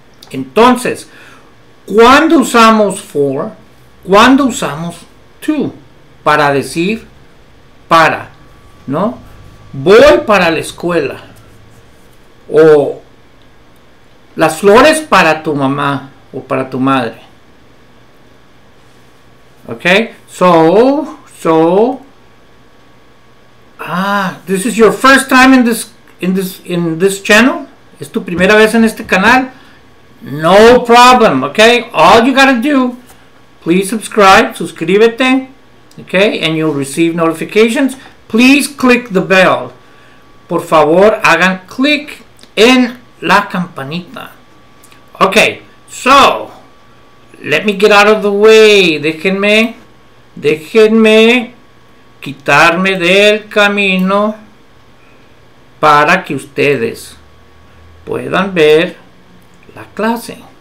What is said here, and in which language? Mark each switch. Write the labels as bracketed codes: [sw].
[es] Entonces, ¿cuándo usamos for? ¿Cuándo usamos to? Para decir para, ¿no? Voy para la escuela. O las flores para tu mamá o para tu madre. [en] Ok, so, this is your first time in this channel? [es] ¿Es tu primera vez en este canal? [en] No problem, ok? All you gotta do, please subscribe, [es] suscríbete, [en] ok? And you'll receive notifications. Please click the bell. [es] Por favor, hagan click en la campanita. [en] Ok, so, let me get out of the way. [es] Déjenme quitarme del camino para que ustedes puedan ver la clase.